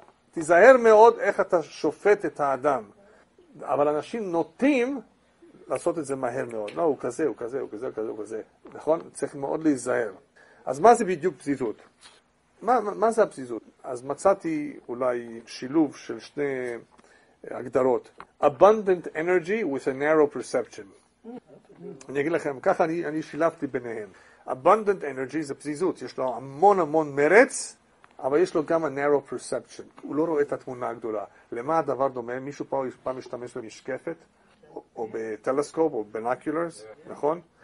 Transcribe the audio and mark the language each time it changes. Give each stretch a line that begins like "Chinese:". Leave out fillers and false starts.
Hebrew: תיזהר מאוד איך אתה שופט את האדם. אבל אנשים נוטים לעשות את זה מהר מאוד. לא, הוא כזה, הוא כזה, הוא כזה, הוא כזה, הוא כזה. נכון? צריך מאוד להיזהר. אז מה זה בדיוק פזיזות? מה זה הפזיזות? אז מצאתי אולי שילוב של שני הגדרות.
English: Abundant energy with a narrow perception.
Hebrew: אני אגיד לכם, ככה אני שילבתי ביניהם.
English: Abundant energy
Hebrew: זה פזיזות. יש לו המון המון מרץ, אבל יש לו גם
English: a narrow perception.
Hebrew: הוא לא רואה את התמונה הגדולה. למה הדבר דומה? מישהו פעם משתמש במשקפת, או בטלסקופ, או בינוקולרס, נכון?